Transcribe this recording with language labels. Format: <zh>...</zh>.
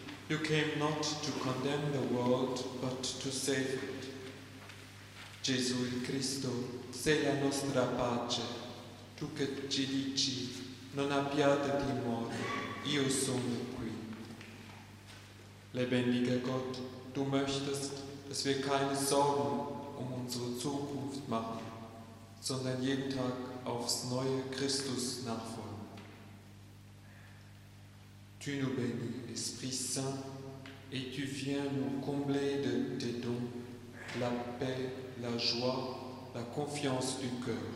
<en>You came not to condemn the world, but to save it.</en> <it>Gesù il Cristo, sei la nostra pace. Tu che ci dici, non abbiate timore, io sono qui.</it> <de>Lebendiger Gott, du möchtest, dass wir keine Sorgen um unsere Zukunft machen, sondern jeden Tag aufs neue Christus nachfolgen.</de> <fr>Tu nous bénis, Esprit Saint, et tu viens nous combler de tes dons, la paix, la joie, la confiance du cœur.</fr>